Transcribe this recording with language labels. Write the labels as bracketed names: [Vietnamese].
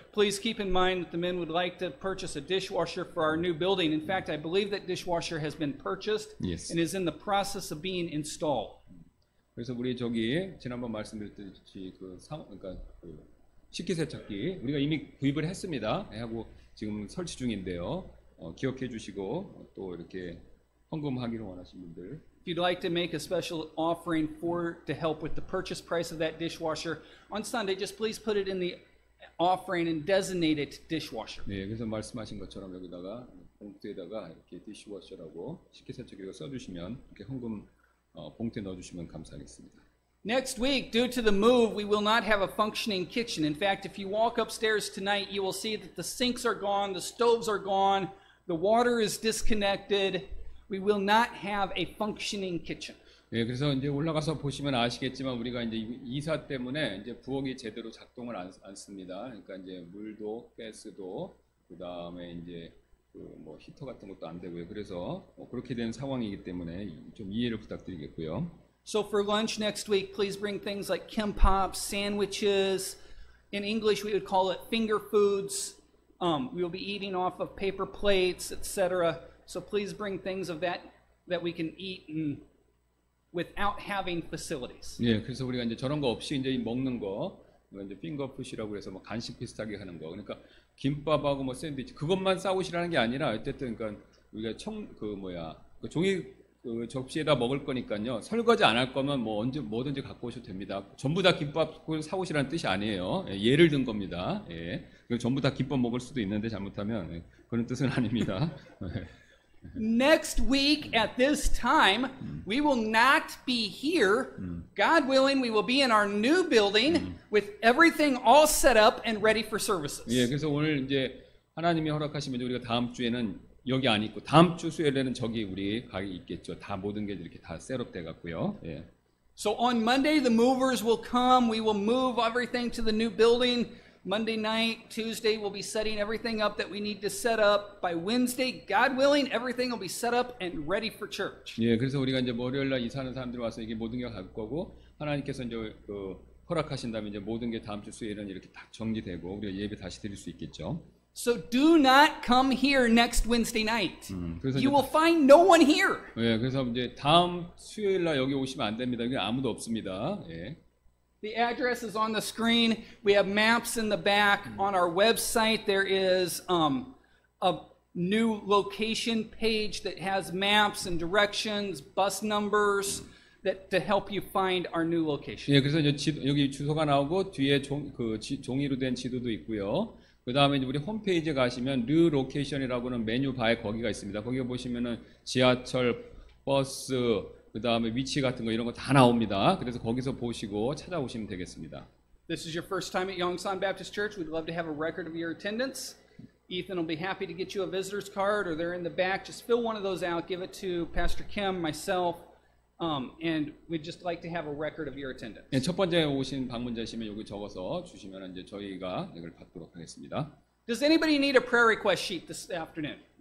[English] Please keep in mind that the men would like to purchase a dishwasher for our new building. In fact, I believe that dishwasher has been purchased yes. and is in the process of being installed. [Korean] 그래서 우리 저기 지난번 말씀드렸듯이 그러니까 그 식기세척기 우리가 이미 구입을 했습니다. 하고 지금 설치 중인데요. 기억해 주시고 또 이렇게 헌금하기를 원하시는 분들 [English] If you'd like to make a special offering for to help with the purchase price of that dishwasher on Sunday, just please put it in the offering and designate it dishwasher. [Korean] 네, 그래서 말씀하신 것처럼 여기다가 봉투에다가 이렇게 dishwasher라고 식기세척기로 써주시면 이렇게 헌금 봉투에 넣어주시면 감사하겠습니다. [English] Next week, due to the move, we will not have a functioning kitchen. In fact, if you walk upstairs tonight, you will see that the sinks are gone, the stoves are gone, the water is disconnected. We will not have a functioning kitchen. [Korean] 예, 그래서 이제 올라가서 보시면 아시겠지만 우리가 이제 이사 때문에 이제 부엌이 제대로 작동을 안 않습니다. 그러니까 이제 물도, 가스도 그다음에 이제 그 뭐 히터 같은 것도 안 되고요. 그래서 뭐 그렇게 된 상황이기 때문에 좀 이해를 부탁드리겠고요. [English] So for lunch next week, please bring things like kimbap, sandwiches. In English we would call it finger foods. We will be eating off of paper plates, etc. So please bring things of that we can eat and without having facilities. [Korean] 예, 그래서 우리가 이제 저런 거 없이 이제 먹는 거, 이제 핑거푸시라고 해서 뭐 간식 비슷하게 하는 거. 그러니까 김밥하고 뭐 샌드위치 그것만 싸우시라는 게 아니라 어쨌든 그러니까 우리가 청 그 뭐야 그 종이 그 접시에다 먹을 거니까요. 설거지 안 할 거면 뭐 언제 뭐든지 갖고 오셔도 됩니다. 전부 다 김밥 사오시라는 뜻이 아니에요. 예, 예를 든 겁니다. 예, 그리고 전부 다 김밥 먹을 수도 있는데 잘못하면 예, 그런 뜻은 아닙니다. [English] Next week at this time, we will not be here. God willing, we will be in our new building with everything all set up and ready for services. [Korean] 예, 그래서 오늘 이제 하나님이 허락하시면 우리가 다음 주에는 여기 안 있고 다음 주 수요일에는 저기 우리 가게 있겠죠. 다 모든 게 이렇게 다 셋업 돼 갖고요. 예. [English] So on Monday, the movers will come. We will move everything to the new building. Monday night, Tuesday, we'll be setting everything up that we need to set up. By Wednesday, God willing, everything will be set up and ready for church. [Korean] 예, 그래서 우리가 이제 월요일 날 이사하는 사람들 와서 이게 모든 게 갈 거고 하나님께서 이제 그 허락하신다면 이제 모든 게 다음 주 수요일은 이렇게 다 정리되고 우리가 예배 다시 드릴 수 있겠죠. [English] So do not come here next Wednesday night. You will find no one here. [Korean] 예, 그래서 이제 다음 수요일 날 여기 오시면 안 됩니다. 여기 아무도 없습니다. 예. [English] The address is on the screen. We have maps in the back. On our website, there is a new location page that has maps and directions, bus numbers that to help you find our new location. [Korean] 예, 그래서 이제 여기 주소가 나오고 뒤에 종이로 된 지도도 있고요. 그 다음에 우리 홈페이지에 가시면 New Location이라고는 메뉴바에 거기가 있습니다. 거기 보시면은 지하철, 버스 그 다음에 위치 같은 거 이런 거 다 나옵니다. 그래서 거기서 보시고 찾아오시면 되겠습니다. [English] This is your first time at Yongsan Baptist Church. We'd love to have a record of your attendance. Ethan will be happy to get you a visitor's card or they're in the back. Just fill one of those out. Give it to Pastor Kim, myself, and we'd just like to have a record of your attendance. [Korean] 네, 첫 번째 오신 방문자시면 여기 적어서 주시면 이제 저희가 이걸 받도록 하겠습니다. [English] Does anybody need a prayer request sheet this afternoon?